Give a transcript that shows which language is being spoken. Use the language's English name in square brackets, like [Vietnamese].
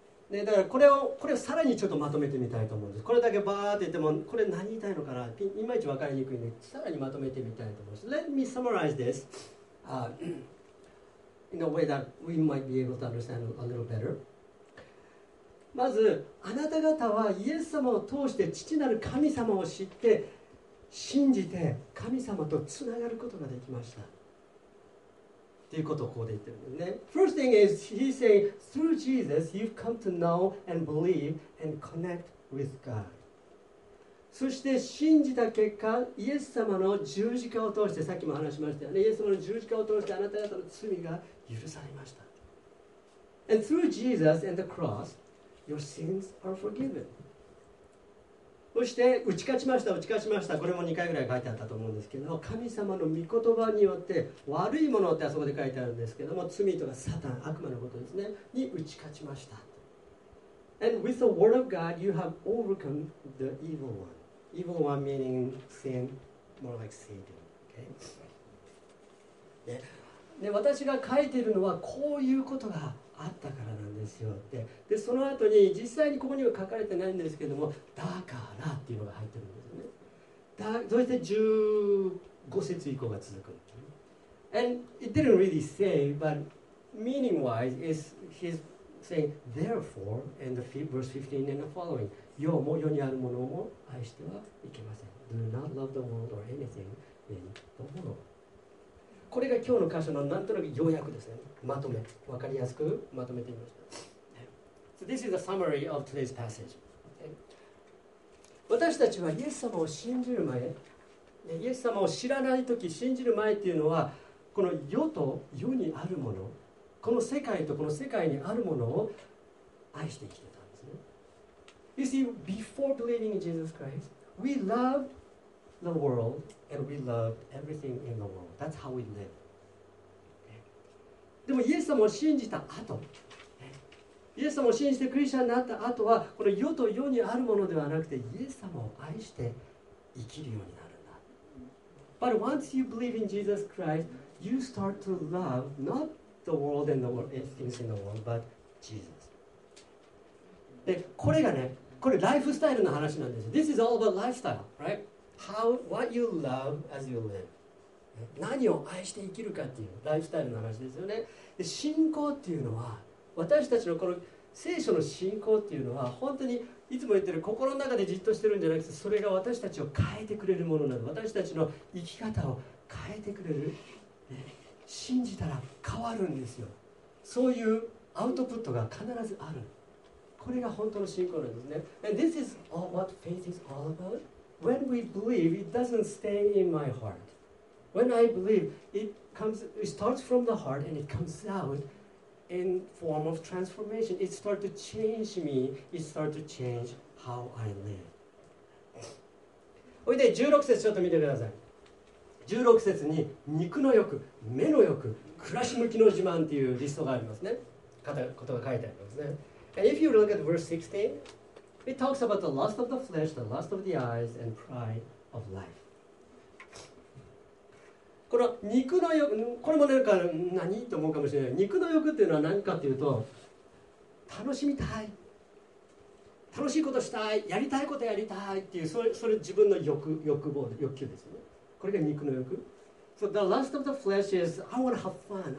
[Japanese] ね、だからこれをさらにちょっとまとめてみたいと思うんです。これだけバーって言ってもこれ何言いたいのかな、いまいち分かりにくいんで、さらにまとめてみたいと思うんです。 [English] Let me summarize this in a way that we might be able to understand a little better. [Japanese] まず、あなた方はイエス様を通して父なる神様を知って信じて神様とつながることができましたということをここで言ってるんですね。 [English] First thing is, he's saying, through Jesus, you've come to know and believe and connect with God. [Japanese] そして信じた結果、イエス様の十字架を通して、さっきも話しましたよね、イエス様の十字架を通してあなた方の罪が許されました。 [English] And through Jesus and the cross, your sins are forgiven. [Japanese] そして打ち勝ちました、打ち勝ちました、これも2回ぐらい書いてあったと思うんですけど、神様の御言葉によって悪いものってあそこで書いてあるんですけども、罪とかサタン、悪魔のことですね、に打ち勝ちました。 [English] And with the word of God you have overcome the evil one. Evil one meaning sin, more like Satan. Okay? [Japanese] で私が書いているのはこういうことがあったからなんですよって、でその後に実際にここには書かれてないんですけども、だからっていうのが入ってるんですよね。だそして15節以降が続く。 [English] And it didn't really say, but meaning wise is he's saying therefore and the verse 15 and the following, [Japanese] 世も世にあるものも愛してはいけません。 [English] Do not love the world or anything in the world。 [Japanese] これが今日の箇所のなんとなく要約ですね。まとめ、わかりやすくまとめてみました。 [English] So this is a summary of today's passage. [Japanese] Okay. 私たちはイエス様を信じる前、イエス様を知らないとき、信じる前っていうのは、この世と世にあるもの、この世界とこの世界にあるものを愛して生きてたんですね。 [English] You see, before believing in Jesus Christ, we lovedthe world and we loved everything in the world. That's how we live. [Japanese] でもイエス様を信じた後、イエス様を信じてクリスチャンになった後は、この世と世にあるものではなくてイエス様を愛して生きるようになるんだ。 [English] But once you believe in Jesus Christ, you start to love not the world and the world and things in the world, but Jesus. [Japanese] で、これがね、これライフスタイルの話なんです。 [English] This is all about lifestyle, right? How, what you love as you live. [Japanese] 何を愛して生きるかっていうライフスタイルの話ですよね。で信仰っていうのは、私たちのこの聖書の信仰っていうのは、本当にいつも言ってる心の中でじっとしてるんじゃなくて、それが私たちを変えてくれるものなの。私たちの生き方を変えてくれる、信じたら変わるんですよ。そういうアウトプットが必ずある。これが本当の信仰なんですね。 [English] And this is what faith is all about.When we believe, it doesn't stay in my heart. When I believe, it starts from the heart and it comes out in form of transformation. It starts to change me. It starts to change how I live. [Japanese] で16節ちょっと見てください。16節に肉の欲、目の欲、暮らし向きの自慢というリストがありますね。ことが書いてありますね。 [English] And if you look at verse 16, it talks about the lust of the flesh, the lust of the eyes, and pride of life. [Japanese] この肉の欲、これも何か何と思うかもしれない。肉の欲っていうのは何かというと、楽しみたい。楽しいことしたい。やりたいことやりたいっていう、それ自分の欲望、欲求ですね。これが肉の欲。 [English] So the lust of the flesh is, I want to have fun.